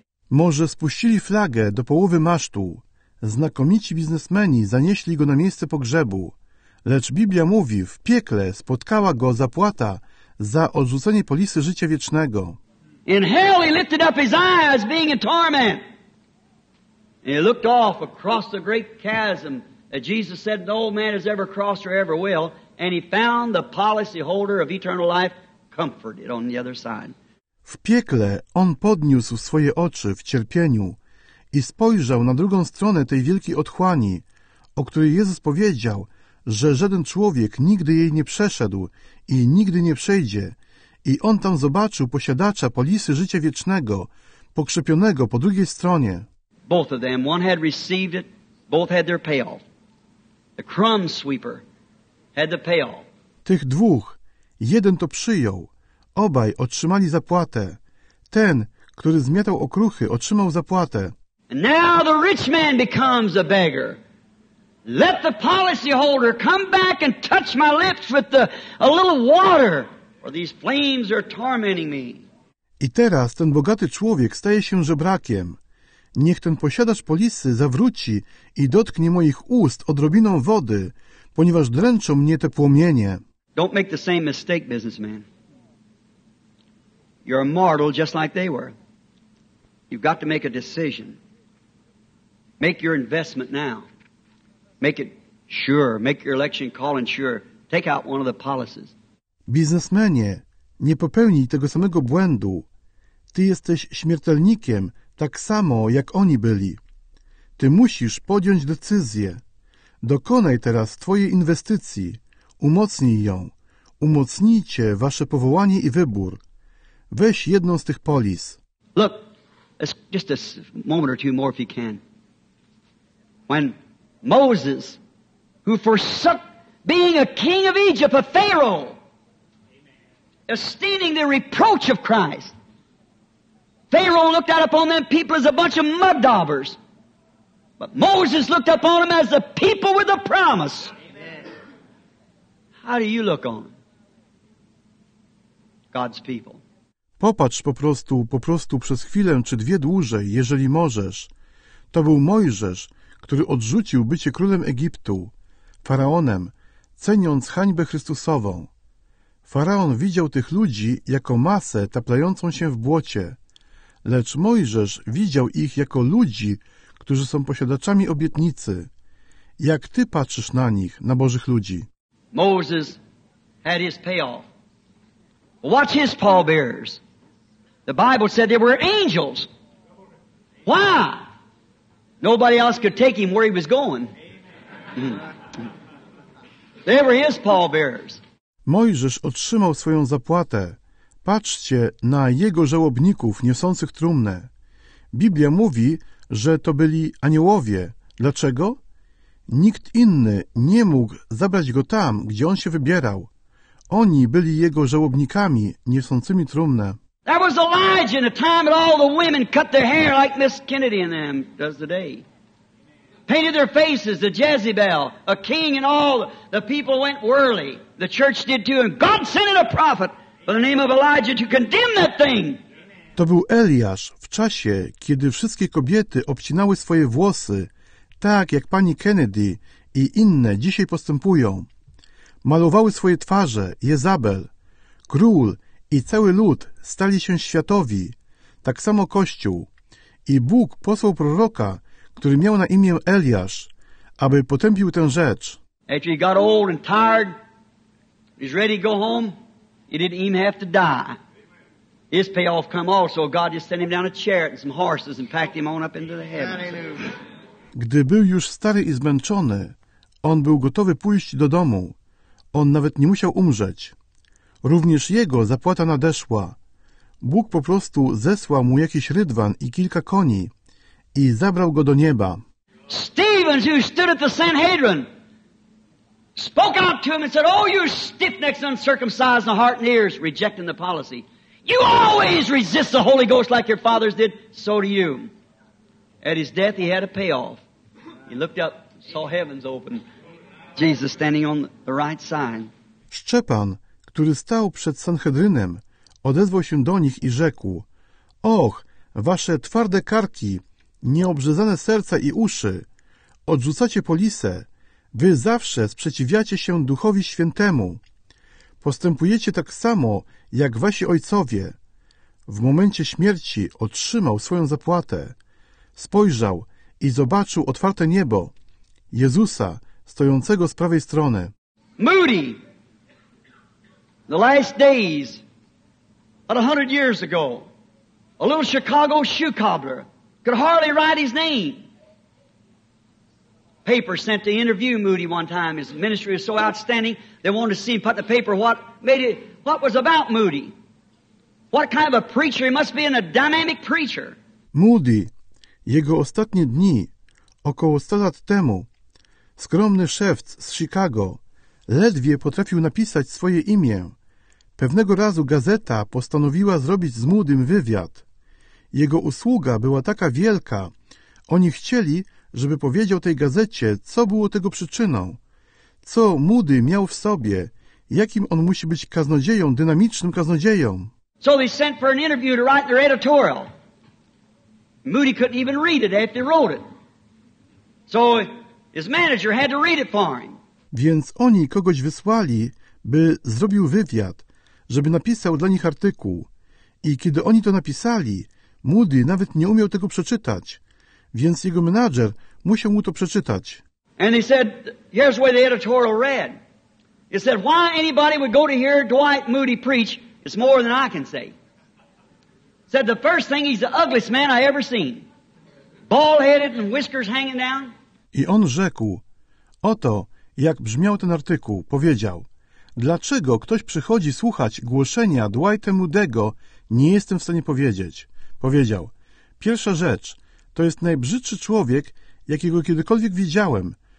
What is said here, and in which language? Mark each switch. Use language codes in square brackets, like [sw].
[pl] Może spuścili flagę do połowy masztu. Znakomici biznesmeni zanieśli go na miejsce pogrzebu. Lecz Biblia mówi, w piekle spotkała go zapłata za odrzucenie polisy życia wiecznego. [en] In hell he lifted up his eyes, being in torment. And he looked off across the great chasm that Jesus said no man has ever crossed or ever will, and he found the policy holder of eternal life comforted on the other side. [pl] W piekle on podniósł swoje oczy w cierpieniu i spojrzał na drugą stronę tej wielkiej otchłani, o której Jezus powiedział, że żaden człowiek nigdy jej nie przeszedł i nigdy nie przejdzie. I on tam zobaczył posiadacza polisy życia wiecznego, pokrzepionego po drugiej stronie. [en] Both of them, one had received it, both had their pail. The crumb sweeper had the pail. [pl] Tych dwóch, jeden to przyjął. Obaj otrzymali zapłatę. Ten, który zmiatał okruchy, otrzymał zapłatę. [en] And now the rich man becomes a beggar. Let the policy holder come back and touch my lips with a little water, or these flames are tormenting me. [pl] I teraz ten bogaty człowiek staje się żebrakiem. Niech ten posiadacz polisy zawróci i dotknie moich ust odrobiną wody, ponieważ dręczą mnie te płomienie. [en] Don't make the same mistake, businessman. You're a mortal just like they were. You've got to make a decision. Make your investment now. Make it sure. Make your election call and sure. Take out one of the policies. [pl] Biznesmenie, nie popełnij tego samego błędu. Ty jesteś śmiertelnikiem, tak samo jak oni byli. Ty musisz podjąć decyzję. Dokonaj teraz twojej inwestycji. Umocnij ją. Umocnijcie wasze powołanie i wybór. Weź jedną z tych polis. [en] Look, just a moment or two more if you can. When Moses, who forsook being a king of Egypt, a Pharaoh, esteeming the reproach of Christ, Pharaoh looked out upon them people as a bunch of mud daubers. But Moses looked upon them as the people with a promise. Amen. How do you look on God's people? [pl] Popatrz po prostu przez chwilę czy dwie dłużej, jeżeli możesz. To był Mojżesz, który odrzucił bycie królem Egiptu, faraonem, ceniąc hańbę Chrystusową. Faraon widział tych ludzi jako masę taplającą się w błocie, lecz Mojżesz widział ich jako ludzi, którzy są posiadaczami obietnicy. Jak ty patrzysz na nich, na Bożych ludzi? [en] Moses had his payoff. Watch his pallbearers. The Bible said they were angels. Why? Nobody else could take him where he was going. They were his pallbearers. [pl] Mojżesz otrzymał swoją zapłatę. Patrzcie na jego żałobników niosących trumnę. Biblia mówi, że to byli aniołowie. Dlaczego? Nikt inny nie mógł zabrać go tam, gdzie on się wybierał. Oni byli jego żałobnikami niosącymi trumnę. [en] There was Elijah in a time when all the women cut their hair like Miss Kennedy and them does today. Painted their faces, the Jezebel, a king and all. The people went whirly. The church did too. And God sent a prophet by the name of Elijah to condemn that thing. [pl] To był Eliasz w czasie, kiedy wszystkie kobiety obcinały swoje włosy, tak jak pani Kennedy i inne dzisiaj postępują. Malowały swoje twarze, Jezabel, król, i cały lud stali się światowi, tak samo Kościół. I Bóg posłał proroka, który miał na imię Eliasz, aby potępił tę rzecz. [en] After he got old and tired, he's ready to go home, he didn't even have to die. His payoff come also, God just sent him down a chariot and some horses and packed him on up into the heavens. [pl] Gdy był już stary i zmęczony, on był gotowy pójść do domu. On nawet nie musiał umrzeć. Również jego zapłata nadeszła. Bóg po prostu zesłał mu jakiś rydwan i kilka koni i zabrał go do nieba. [en] Stephen, who stood at the Sanhedrin, spoke out to him and said, "Oh, you stiff-necked, uncircumcised in heart and ears, rejecting the policy. You always resist the Holy Ghost like your fathers did, so do you." At his death, he had a payoff. He looked up, saw heavens open, Jesus standing on the right side. [pl] Szczepan, który stał przed Sanhedrynem, odezwał się do nich i rzekł: "Och, wasze twarde karki, nieobrzezane serca i uszy, odrzucacie polisę, wy zawsze sprzeciwiacie się Duchowi Świętemu. Postępujecie tak samo, jak wasi ojcowie." W momencie śmierci otrzymał swoją zapłatę. Spojrzał i zobaczył otwarte niebo, Jezusa, stojącego z prawej strony. [en] Moody! The last days, about 100 years ago, a little Chicago shoe cobbler could hardly write his name. Paper sent to interview Moody one time. His ministry was so outstanding, they wanted to see him put in the paper what was about Moody. What kind of a preacher? He must be a dynamic preacher. [pl] Moody, jego ostatnie dni, Około 100 lat temu skromny szewc z Chicago ledwie potrafił napisać swoje imię. Pewnego razu gazeta postanowiła zrobić z młodym wywiad. Jego usługa była taka wielka, oni chcieli, żeby powiedział tej gazecie, co było tego przyczyną. Co Moody miał w sobie, jakim on musi być kaznodzieją, dynamicznym kaznodzieją. [en] So they sent for an interview to write their editorial. Moody couldn't even read it after he wrote it. So his manager had to read it for him. [pl] Więc oni kogoś wysłali, by zrobił wywiad, żeby napisał dla nich artykuł. I kiedy oni to napisali, Moody nawet nie umiał tego przeczytać. Więc jego menadżer musiał mu to przeczytać. [en] And he said, here's the way the editorial read. He said, why anybody would go to hear Dwight Moody preach is more than I can say. He said, the first thing, he's the ugliest man I ever seen. Bald-headed and whiskers hanging down. [pl] I on rzekł, oto jak brzmiał ten artykuł, powiedział, dlaczego ktoś przychodzi słuchać głoszenia Dwighta Moody'ego, nie jestem w stanie powiedzieć. Powiedział, pierwsza rzecz, to jest najbrzydszy człowiek, jakiego kiedykolwiek widziałem.